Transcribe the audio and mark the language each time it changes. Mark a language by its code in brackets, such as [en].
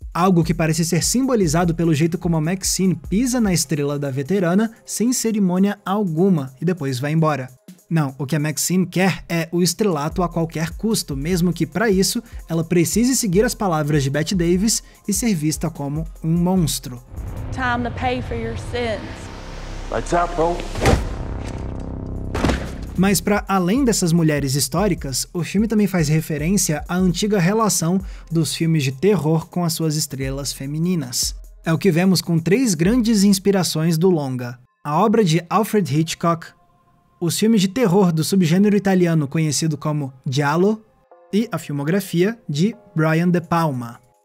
[pt] Algo que parece ser simbolizado pelo jeito como a Maxine pisa na estrela da veterana sem cerimônia alguma e depois vai embora. Não, o que a Maxine quer é o estrelato a qualquer custo, mesmo que para isso ela precise seguir as palavras de Bette Davis e ser vista como um monstro. [en] Time to pay for your sins. Lights out, bro. [pt] Mas para além dessas mulheres históricas, o filme também faz referência à antiga relação dos filmes de terror com as suas estrelas femininas. É o que vemos com três grandes inspirações do longa: a obra de Alfred Hitchcock, os filmes de terror do subgênero italiano conhecido como giallo e a filmografia de Brian De Palma.